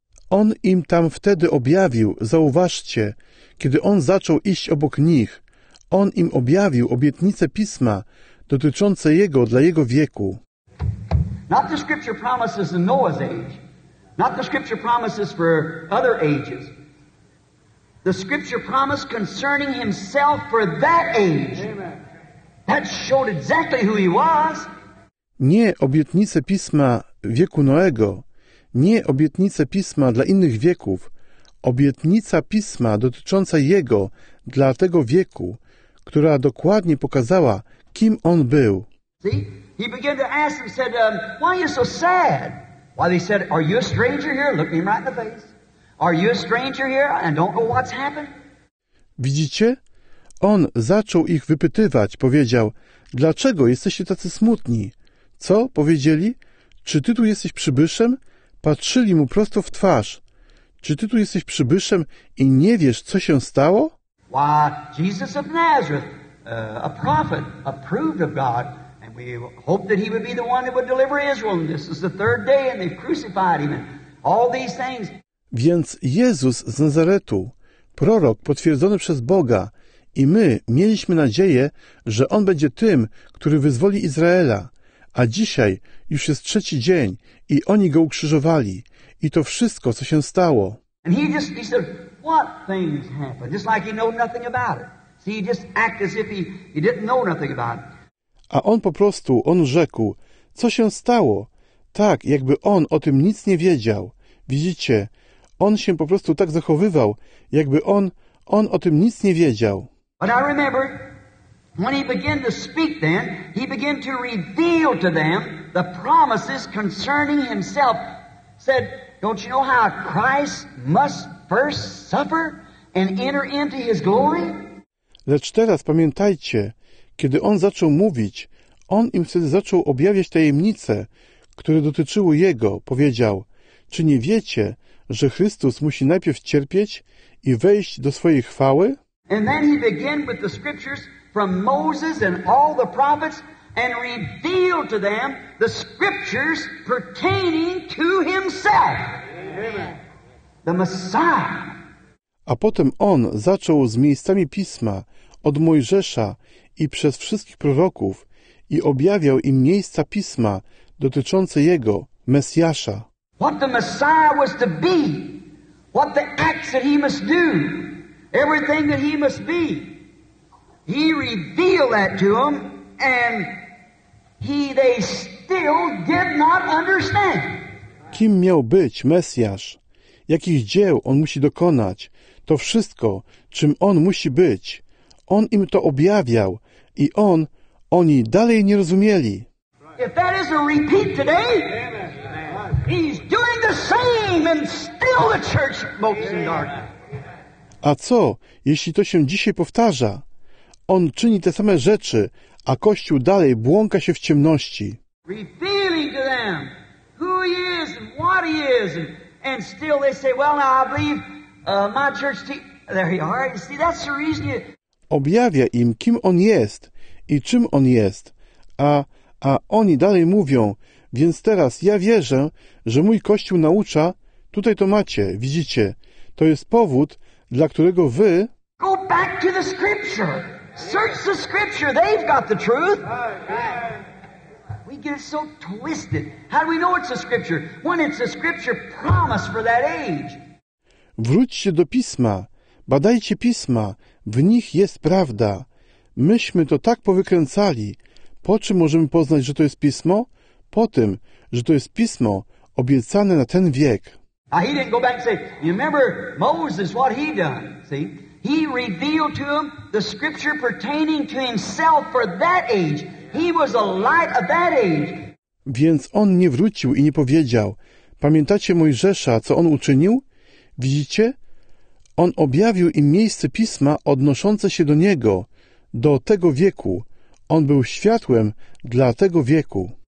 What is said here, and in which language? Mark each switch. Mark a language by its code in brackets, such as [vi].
[pl] On im tam wtedy objawił, zauważcie, kiedy on zaczął iść obok nich, on im objawił obietnicę Pisma, dotyczące jego dla jego wieku. [en] Not the scripture promises in Noah's age. Not the scripture promises for other ages. The scripture promised concerning himself for that age. Amen. That showed exactly who he was. Nie obietnice pisma wieku Noego, nie obietnice pisma dla innych wieków, obietnica pisma dotycząca jego dla tego wieku, która dokładnie pokazała, kim on był. See, he began to ask them, said, why are you so sad? Why, they said, are you a stranger here? Look him right in the face. Are you a stranger here? And don't know what's happened. [pl] Widzicie? On zaczął ich wypytywać, powiedział, dlaczego jesteście tacy smutni? Co? Powiedzieli, czy ty tu jesteś przybyszem? Patrzyli mu prosto w twarz. Czy ty tu jesteś przybyszem i nie wiesz, co się stało? [en] Why, Jesus of Nazareth. A prophet approved of God, and we hope that he would be the one that would deliver Israel. And this is the third day, and they've crucified him, and all these things. [pl] Więc Jezus z Nazaretu, prorok potwierdzony przez Boga, i my mieliśmy nadzieję, że on będzie tym, który wyzwoli Izraela. A dzisiaj już jest trzeci dzień, i oni go ukrzyżowali. I to wszystko, co się stało. [en] And he said, what things happened? Just like he knew nothing about it. See, he just acted as if he didn't know nothing about it. [pl] A on po prostu, on rzekł, co się stało? Tak, jakby on o tym nic nie wiedział. Widzicie, on się po prostu tak zachowywał, jakby on o tym nic nie wiedział. [en] But I remember, when he began to speak then, he began to reveal to them the promises concerning himself. Said, don't you know how Christ must first suffer and enter into his glory? [pl] Lecz teraz pamiętajcie, kiedy on zaczął mówić, on im wtedy zaczął objawiać tajemnice, które dotyczyły jego, powiedział, czy nie wiecie, że Chrystus musi najpierw cierpieć i wejść do swojej chwały? [en] And then he began with the scriptures from Moses and all the prophets and revealed to them the scriptures pertaining to himself. Amen. The Messiah. [pl] A potem on zaczął z miejscami Pisma, od Mojżesza i przez wszystkich proroków i objawiał im miejsca Pisma dotyczące Jego, Mesjasza. [en] What the Messiah was to be, what the acts that he must do, everything that he must be. He revealed that to them and they still did not understand. [pl] Kim miał być Mesjasz? Jakich dzieł on musi dokonać? To wszystko, czym on musi być. On im to objawiał i oni dalej nie rozumieli. [en] Right. If that isn't a repeat today, he's doing the same and still the church mopes in darkness. [pl] A co, jeśli to się dzisiaj powtarza? On czyni te same rzeczy, a Kościół dalej błąka się w ciemności. [en] Revealing to them who he is and what he is, and still they say, well, now I believe my church there you are. See, that's the reason you... [pl] Objawia im, kim on jest i czym on jest, a oni dalej mówią, więc teraz ja wierzę, że mój Kościół naucza, tutaj to macie, widzicie, to jest powód, dla którego wy... [en] Go back to the scripture. Search the scripture. They've got the truth. We get so twisted. How do we know it's the scripture? When it's the scripture promise for that age. [pl] Wróćcie do Pisma. Badajcie Pisma. W nich jest prawda. Myśmy to tak powykręcali. Po czym możemy poznać, że to jest Pismo? Po tym, że to jest Pismo obiecane na ten wiek. [en] Now he didn't go back and say, you remember Moses, what he done, see? He revealed to him the scripture pertaining to himself for that age. He was the light of that age. [pl] Więc on nie wrócił i nie powiedział, pamiętacie Mojżesza, co on uczynił? Widzicie? On objawił im miejsce Pisma odnoszące się do niego, do tego wieku. On był światłem dla tego wieku.